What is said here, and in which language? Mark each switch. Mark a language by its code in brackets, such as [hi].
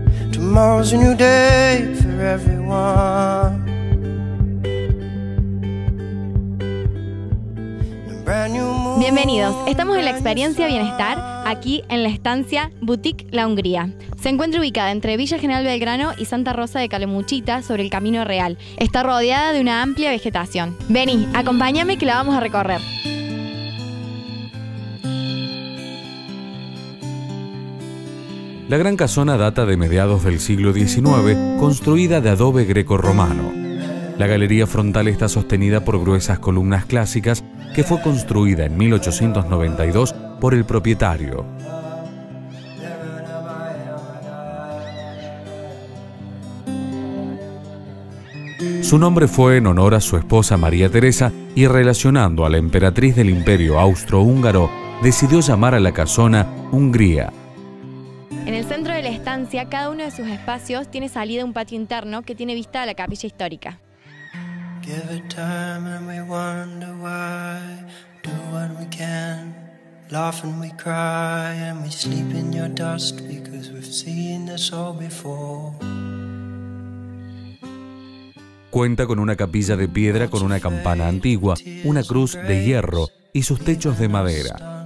[en] Tomorrow's a new day for everyone. [es] Bienvenidos, estamos en la Experiencia Bienestar, aquí en la estancia Boutique La Hungría. Se encuentra ubicada entre Villa General Belgrano y Santa Rosa de Calamuchita, sobre el Camino Real. Está rodeada de una amplia vegetación. Vení, acompáñame que la vamos a recorrer. La Gran Casona data de mediados del siglo XIX, construida de adobe greco-romano. La galería frontal está sostenida por gruesas columnas clásicas que fue construida en 1892 por el propietario. Su nombre fue en honor a su esposa María Teresa y relacionando a la emperatriz del Imperio Austrohúngaro, decidió llamar a la casona Hungría. En el centro de la estancia, cada uno de sus espacios tiene salida a un patio interno que tiene vista a la capilla histórica. [en] Give it time and we wonder why. Do what we can. Laugh and we cry and we sleep in your dust because we've seen this all before. [es] Cuenta con una capilla de piedra con una campana antigua, una cruz de hierro y sus techos de madera.